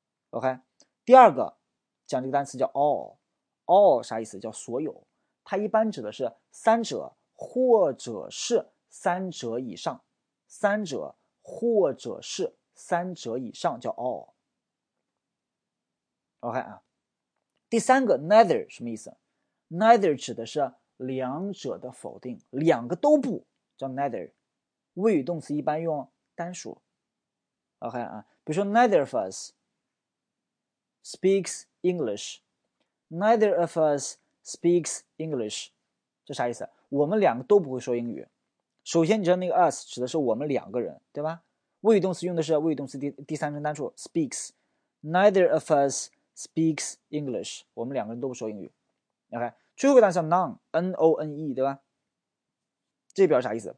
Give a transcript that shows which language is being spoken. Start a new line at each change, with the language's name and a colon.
Chinese: OK， 第二个讲这个单词叫 all， 啥意思？叫所有，它一般指的是三者或者是三者以上，三者或者是。三者以上叫 all。 OK 啊，第三个 neither 什么意思？neither 指的是两者的否定，两个都不叫 neither， 谓语动词一般用单数。
English: OK 啊，
Chinese: 比如说
English: neither of us speaks English， neither of us speaks English，
Chinese: 这啥意思？我们两个都不会说英语。首先你知道那个 us 指的是我们两个人，对吧？谓语动词用的是谓语动词 第三人单数 speaks，
English: neither of us speaks English，
Chinese: 我们两个人都不说英语。 OK， 最后一个单词 none， N-O-N-E， 对吧？这表示啥意思？